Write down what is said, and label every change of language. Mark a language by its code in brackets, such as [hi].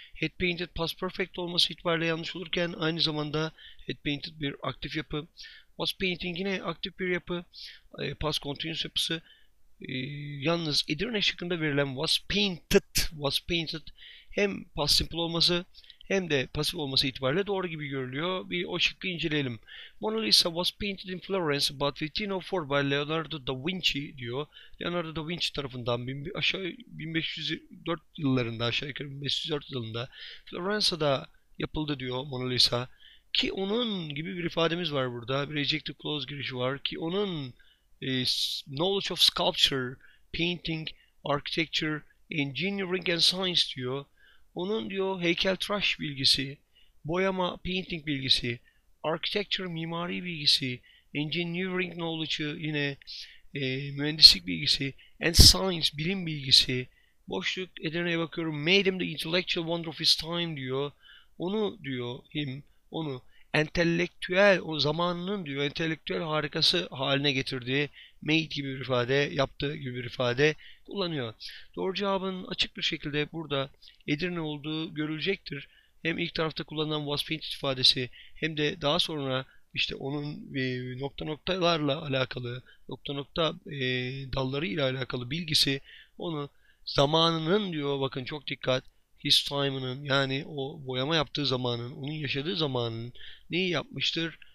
[en] Had painted past perfect [tr] olması itibariyle yanlış olurken aynı zamanda [en] had painted [tr] bir aktif yapı. [en] Was painting [tr] yine aktif bir yapı. [en] Past continuous [tr] yapısı. Yalnız Edirne şıkkında verilen [en] was painted [tr] hem past simple olması hem de pasif olması itibariyle doğru gibi görülüyor. Bir o şıkkı inceleyelim. [en] Mona Lisa was painted in Florence about 1504 by Leonardo da Vinci diyor. [tr] Leonardo da Vinci tarafından 1504 yıllarında aşağı yukarı 1504 yılında Florence'da yapıldı diyor Mona Lisa. Ki onun gibi bir ifademiz var burada. Bir [en] ejective clause [tr] girişi var. Ki onun [en] knowledge of sculpture, painting, architecture, engineering and science diyor. [tr] Onun diyor heykeltıraş bilgisi, boyama painting bilgisi, architecture mimari bilgisi, [en] engineering knowledge'ı [tr] yine mühendislik bilgisi [en] and science [tr] bilim bilgisi. Boşluk Edirne'ye bakıyorum. [en] Made him the intellectual wonder of his time diyor. [tr] Onu diyor him onu entelektüel o zamanının diyor entelektüel harikası haline getirdiği made gibi bir ifade yaptığı gibi bir ifade kullanıyor. Doğru cevabın açık bir şekilde burada Edirne olduğu görülecektir. Hem ilk tarafta kullanılan [en] was painted [tr] ifadesi hem de daha sonra işte onun nokta noktalarla alakalı nokta nokta dalları ile alakalı bilgisi onu zamanının diyor bakın çok dikkat [en] his time'ının [tr] yani o boyama yaptığı zamanın, onun yaşadığı zamanın neyi yapmıştır?